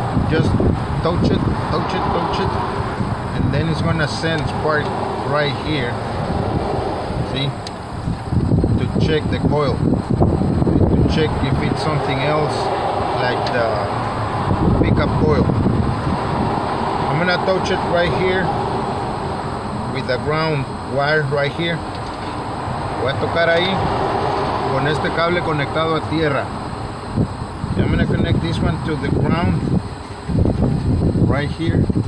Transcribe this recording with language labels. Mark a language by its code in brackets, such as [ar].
[en] Just touch it, touch it, touch it, and then it's gonna send spark right here. See? To check the coil. To check if it's something else, like the pickup coil. I'm gonna touch it right here with the ground wire right here. [es] Voy a tocar ahí con este cable conectado a tierra. [en] I'm gonna connect this one to the ground right here.